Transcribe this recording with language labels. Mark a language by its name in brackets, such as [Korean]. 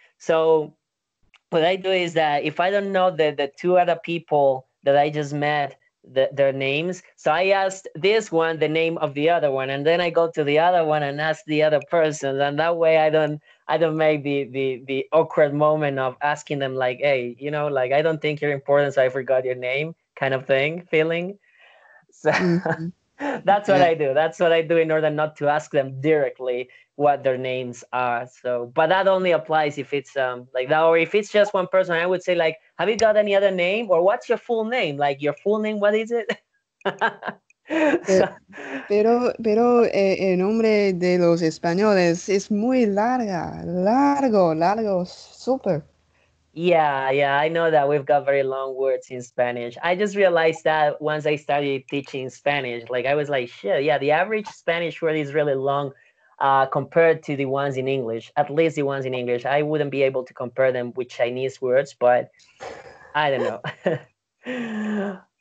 [English] So what I do is that if I don't know the two other people that I just met, their names, so I asked this one the name of the other one, and then I go to the other one and ask the other person, and that way I don't make the awkward moment of asking them, like, hey, you know, like, I don't think you're important, so I forgot your name, kind of thing, feeling. So that's what I do in order not to ask them directly what their names are. So, but that only applies if it's like that, or if it's just one person, I would say, like, have you got any other name? Or what's your full name? Like, your full name, what is it? [Spanish] pero el nombre de los españoles es muy largo, super. [English] Yeah, I know that we've got very long words in Spanish. I just realized that once I started teaching Spanish, like, I was like, shit, yeah, the average Spanish word is really long. compared to the ones in English, at least the ones in English. I wouldn't be able to compare them with Chinese words, but I don't know.